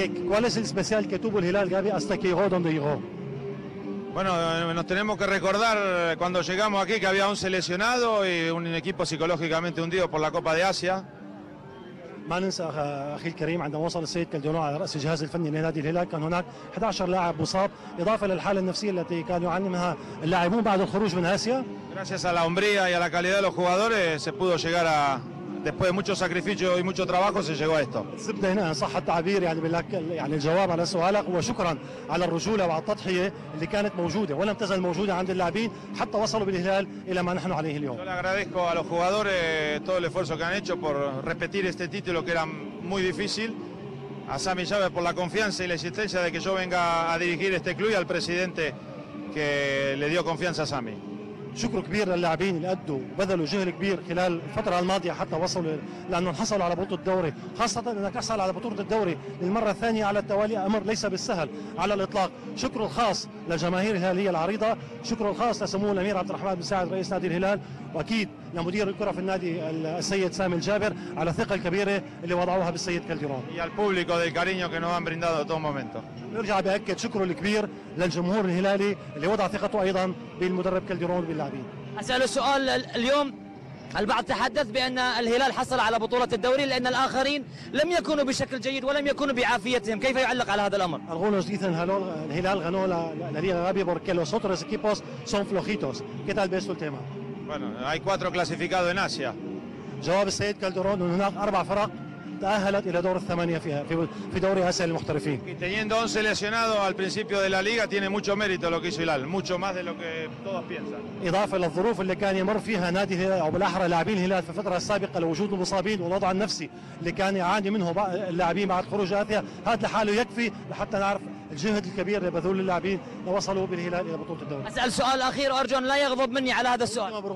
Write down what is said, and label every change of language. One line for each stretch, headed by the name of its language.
Spanish: ¿Cuál es el especial que tuvo el Hilal, Gaby, hasta que llegó donde llegó? Bueno, nos tenemos que recordar cuando llegamos aquí que había 11 lesionados y un equipo psicológicamente hundido por la Copa de Asia.
Arabic: ما ننسى أخي الكريم عندما وصل السيد كالديرون على رأس الجهاز الفني لنادي الهلال كان هناك 11 لاعب مصاب، إضافة للحالة النفسية التي كان يعاني منها اللاعبون بعد الخروج من آسيا.
Spanish: Gracias a la hombría y a la calidad de los jugadores se pudo llegar a después de mucho sacrificio y mucho trabajo se llegó a esto.
Arabic: سبت هنا صح التعبير، يعني بالله يعني الجواب على سؤالك هو شكرا على الرجولة والتضحية اللي كانت موجودة ولم تزل موجودة عند اللاعبين حتى وصلوا بالهلال إلى ما نحن عليه اليوم.
Spanish: Yo le agradezco a los jugadores todo el esfuerzo que han hecho por repetir este título que era muy difícil. A Sammy Chávez por la confianza y la insistencia de que yo venga a dirigir este club y al presidente que le dio confianza a Sammy.
Arabic: شكر كبير للاعبين اللي أدوا وبذلوا جهد كبير خلال الفترة الماضية حتى وصلوا لأنه حصلوا على بطولة الدوري، خاصة أنك تحصل على بطولة الدوري للمرة الثانية على التوالي أمر ليس بالسهل على الإطلاق. شكر الخاص لجماهير الهلالية العريضة، شكر الخاص لسمو الأمير عبد الرحمن بن سعد رئيس نادي الهلال، وأكيد لمدير الكرة في النادي السيد سامي الجابر على الثقة الكبيرة اللي وضعوها بالسيد كالديرون.
Spanish: Y al público del cariño que nos han brindado todo momento.
Arabic: نرجع بأكد شكره الكبير للجمهور الهلالي اللي وضع ثقته أيضا بالمدرب كالديرون وباللاعبين. أسأل السؤال، اليوم البعض تحدث بأن الهلال حصل على بطولة الدوري لأن الآخرين لم يكونوا بشكل جيد ولم يكونوا بعافيتهم، كيف يعلق على هذا الأمر؟
Spanish: Algunos dicen الهلال ganó la Liga Gabi porque los otros equipos son flojitos. ¿Qué tal ves el tema? Bueno, hay cuatro clasificados en Asia.
Arabic: جواب السيد كالديرون أن هناك أربع فرق تأهلت إلى دور الثمانية في دوري آسيا للمحترفين.
Spanish: Teniendo 11 lesionados al principio de la liga tiene mucho mérito lo que hizo Hilal, mucho más de lo que todos piensan.
Arabic: إضافة للظروف اللي كان يمر فيها نادي الهلال أو بالأحرى لاعبين الهلال في الفترة السابقة لوجود المصابين والوضع النفسي اللي كان يعاني منه اللاعبين بعد خروج آسيا، هذا لحاله يكفي لحتى نعرف الجهد الكبير اللي بذول اللاعبين لوصلوا بالهلال الى بطوله الدوري. اسال سؤال اخير وارجو ان لا يغضب مني على هذا السؤال.